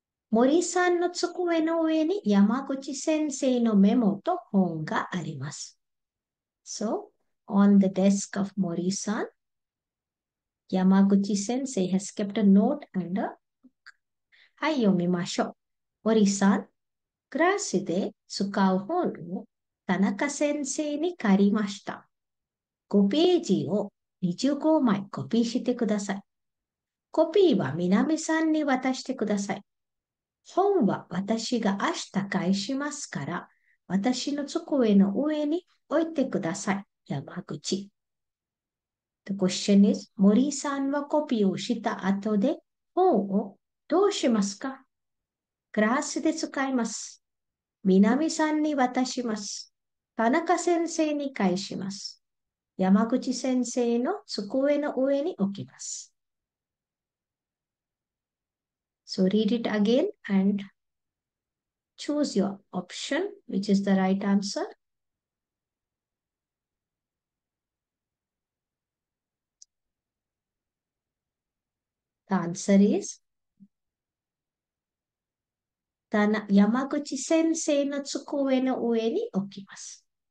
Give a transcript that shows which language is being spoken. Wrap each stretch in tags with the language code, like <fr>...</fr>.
<ja>森さんの机の上に山口先生のメモと本があります。</ja> <en>So, on the desk of 森さん、Yamaguchi sensei has kept a note and a book.</en> <ja>はい、読みましょう。森さん、クラスで使う本を田中先生に借りました。 5ページを25枚コピーしてください。コピーは南さんに渡してください。本は私が明日返しますから、私の机の上に置いてください。山口。</ja> <en>The question is,</en> <ja>森さんはコピーをした後で本をどうしますか？クラスで使います。南さんに渡します。田中先生に返します。山口先生の机の上に置きます。</ja> <en>So read it again and choose your option, which is the right answer. The answer is</en> <ja>山口先生の机の上に置きます。</ja>